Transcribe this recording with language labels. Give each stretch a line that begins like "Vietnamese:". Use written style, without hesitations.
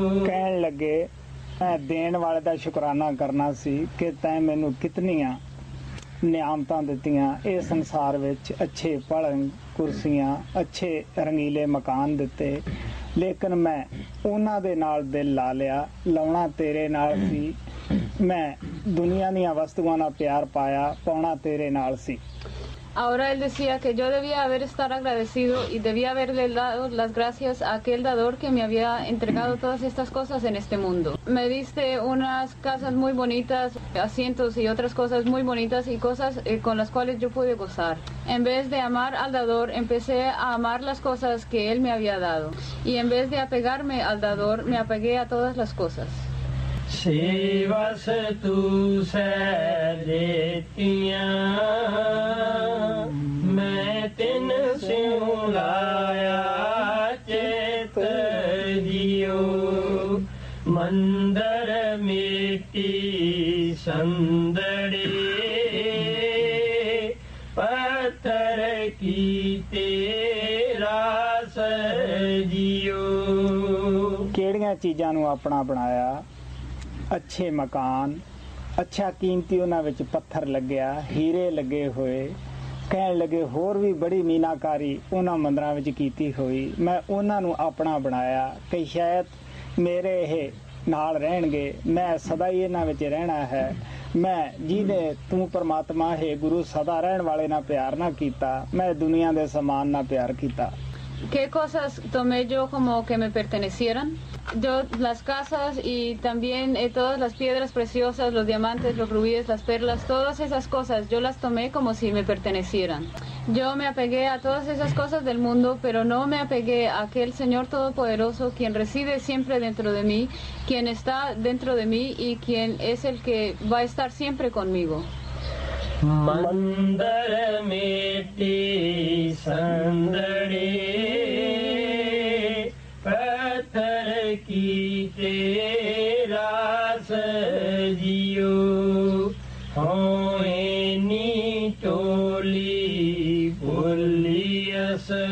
Punjabi: ਕਹਿਣ ਲੱਗੇ ਮੈਂ ਦੇਣ ਵਾਲੇ ਦਾ ਸ਼ੁਕਰਾਨਾ ਕਰਨਾ ਸੀ ਕਿ ਤੈਂ ਮੈਨੂੰ ਕਿਤਨੀਆਂ ਨਿਆਮਤਾਂ ਦਿੱਤੀਆਂ ਇਹ ਸੰਸਾਰ ਵਿੱਚ ਅੱਛੇ ਪਲੰਗ ਕੁਰਸੀਆਂ ਅੱਛੇ ਰੰਗੀਲੇ ਮਕਾਨ ਦਿੱਤੇ ਲੇਕਿਨ ਮੈਂ ਉਹਨਾਂ ਦੇ ਨਾਲ ਦਿਲ ਲਾ ਲਿਆ ਲਾਉਣਾ ਤੇਰੇ ਨਾਲ ਸੀ ਮੈਂ ਦੁਨੀਆਂ ਦੀਆਂ ਵਸਤੂਆਂ ਨਾਲ ਪਿਆਰ ਪਾਇਆ ਪਾਉਣਾ ਤੇਰੇ ਨਾਲ ਸੀ
Spanish: Ahora él decía que yo debía haber estar agradecido y debía haberle dado las gracias a aquel dador que me había entregado todas estas cosas en este mundo. Me diste unas casas muy bonitas, asientos y otras cosas muy bonitas y cosas con las cuales yo pude gozar. En vez de amar al dador, empecé a amar las cosas que él me había dado. Y en vez de apegarme al dador, me apegué a todas las cosas.
Punjabi: ਸੇਵਸ ਤੂੰ ਸੈ ਦੇਤੀਆਂ ਮੈਂ ਤਿੰਨ ਸਿਉ ਲਾਇਆ ਚੇਤ JIO ਮੰਦਰ ਮਿੱਟੀ ਸੰਦੜੀ ਪੱਥਰ ਕੀ ਤੇਰਾ ਸਜੀਓ ਕਿਹੜੀਆਂ ਚੀਜ਼ਾਂ ਨੂੰ ਆਪਣਾ ਬਣਾਇਆ ਅੱਛੇ ਮਕਾਨ ਅੱਛਾ ਕੀਮਤੀ ਉਹਨਾਂ ਵਿੱਚ ਪੱਥਰ ਲੱਗਿਆ ਹੀਰੇ ਲੱਗੇ ਹੋਏ ਕਹਿਣ ਲੱਗੇ ਹੋਰ ਵੀ ਬੜੀ ਮੀਨਾਕਾਰੀ ਉਹਨਾਂ ਮੰਦਰਾਂ ਵਿੱਚ ਕੀਤੀ ਹੋਈ ਮੈਂ ਉਹਨਾਂ ਨੂੰ ਆਪਣਾ ਬਣਾਇਆ ਕਿ ਸ਼ਾਇਦ ਮੇਰੇ ਇਹ ਨਾਲ ਰਹਿਣਗੇ ਮੈਂ ਸਦਾ ਹੀ ਇਹਨਾਂ ਵਿੱਚ ਰਹਿਣਾ ਹੈ ਮੈਂ ਜਿਹਨੇ ਤੂੰ ਪਰਮਾਤਮਾ ਹੈ ਗੁਰੂ ਸਦਾ ਰਹਿਣ ਵਾਲੇ ਨਾਲ ਪਿਆਰ ਨਾ ਕੀਤਾ ਮੈਂ ਦੁਨੀਆਂ ਦੇ ਸਮਾਨ ਨਾਲ ਪਿਆਰ ਕੀਤਾ
Spanish: ¿Qué cosas tomé yo como que me pertenecieran? Yo las casas y también todas las piedras preciosas, los diamantes, los rubíes, las perlas, todas esas cosas yo las tomé como si me pertenecieran. Yo me apegué a todas esas cosas del mundo, pero no me apegué a aquel Señor Todopoderoso, quien reside siempre dentro de mí, quien está dentro de mí y quien es el que va a estar siempre conmigo.
Punjabi: ਮੰਦਰ ਮਿੱਟੀ ਸੰਦੜੀ ਪੱਥਰ ਕੀ ਤੇਰਾ ਸਜੀਓ ਹੋਣੀ ਟੋਲੀ ਬੋਲੀਅਸ